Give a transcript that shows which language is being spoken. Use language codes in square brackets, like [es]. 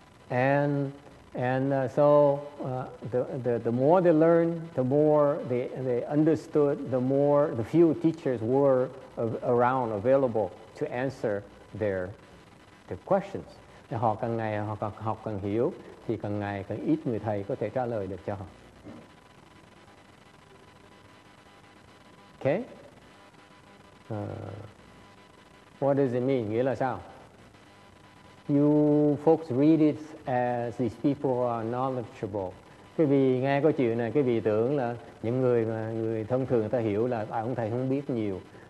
[en] And so the more they learn, the more they understood, the more the few teachers were around available to answer their questions. [vi] Thì họ càng ngày họ càng học càng hiểu thì càng ngày càng ít người thầy có thể trả lời được cho họ. [en] Okay. What does it mean? [vi] Nghĩa là sao? [en] You folks read it as these people are knowledgeable. [vi] Cái vì nghe câu chuyện này, cái vì tưởng là những người mà người thông thường người ta hiểu là à, ông thầy không biết nhiều.